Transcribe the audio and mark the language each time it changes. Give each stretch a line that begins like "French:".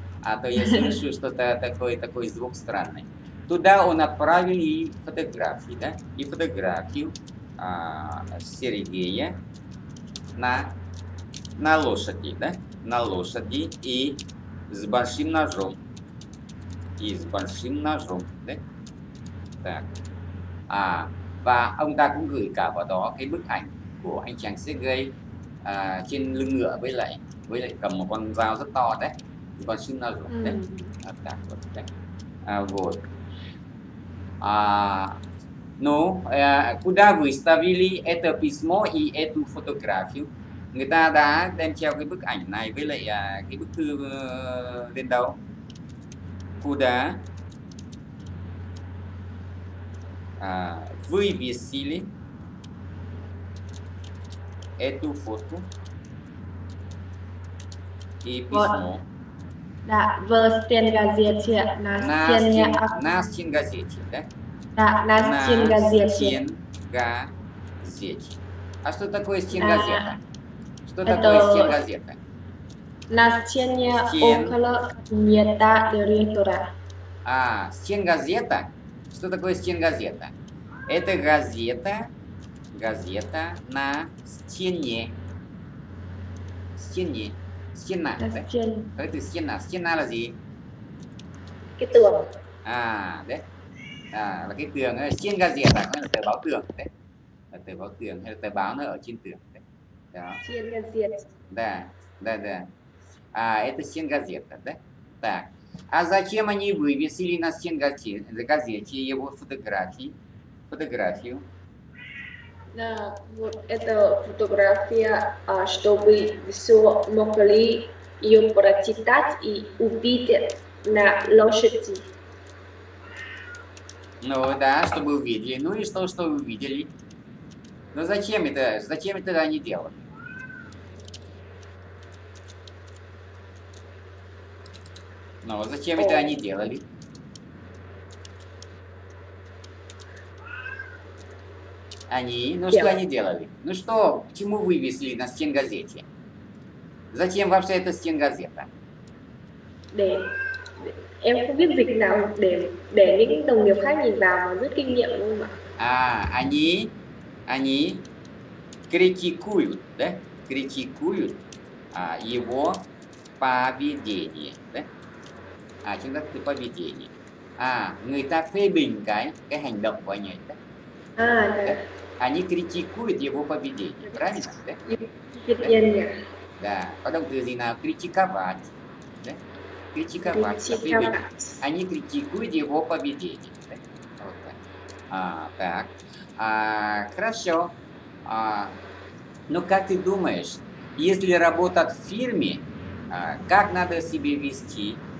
Russian: А то я слышу, что это такой звук странный. Туда он отправил и фотографии, да? И фотографию Сергея на лошади, да? На лошади и с большим ножом. И с большим ножом, да? Так.
Vietnamese: А, và ông ta cũng gửi cả vào đó cái bức ảnh của anh chàng Сергей trên lưng ngựa với lại cầm một con dao rất to đấy. Con xin nó rồi đấy, đặt vào đấy, vội.
Russian: Nó, куда вы ставили это письмо и эту фотографию?
Vietnamese: Người ta đã đem treo cái bức ảnh này với lại cái bức thư lên đâu?
Russian: Куда вы висили эту фото и письмо? Да, в стенгазете, на стене. На стенгазете, да? Да, на стенгазете. Стенгазете. А что такое стен газета? Что такое стен газета? На стене около метра ориентира. А, стен газета? Что такое стен газета? Это газета, газета на стене. Стене. Стена. Стен. Это стена. Стена разве? Китур.
Vietnamese: À, đấy. À, là cái tường ấy, trên газета nó là tờ báo tường đấy. Là tờ báo tường hay là tờ báo nó ở trên tường đấy. Đó. Trên газета.
Russian: Да, да, да. À, это стен газета, да? Так. А зачем они вывесили на стен газете, газете его фотографии? Фотографию. Да, вот это фотография, а, чтобы все могли ее прочитать и увидеть на лошади. Ну да, чтобы увидели. Ну и что, что увидели? Ну зачем это? Зачем это они делают? Ну зачем это они делали? Они? Ну что они делали? Ну что, почему вывесили на стен газете? Зачем вообще эта стен газета? Да.
Vietnamese: Em không biết dịch nào để những đồng nghiệp khác nhìn vào mà rút kinh nghiệm luôn
Russian: ạ. À, они критикуют, да? Критикуют его поведение, да?
Vietnamese: À, chúng ta từ поведение. À, người ta phê bình cái hành động của anh ấy, да? À, да.
Russian: Они критикуют его поведение, правильно, да? Да, потом ты знаешь, критиковать, да? Критиковать. Они критикуют его поведение. Вот так. А, хорошо. А, ну, как ты думаешь, если работать в фирме, как надо себе вести?